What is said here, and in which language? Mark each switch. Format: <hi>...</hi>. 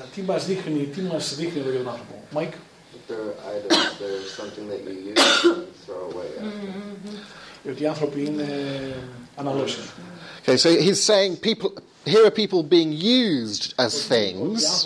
<el>Τι μας δείχνει εδώ για τον άνθρωπο, Mike?</el> <en>extra items there, something that you use and throw away.</en> <el>Γιατί οι άνθρωποι είναι αναλώσιμοι.</el> <en>Okay, so he's saying people here are people being used as things.</en>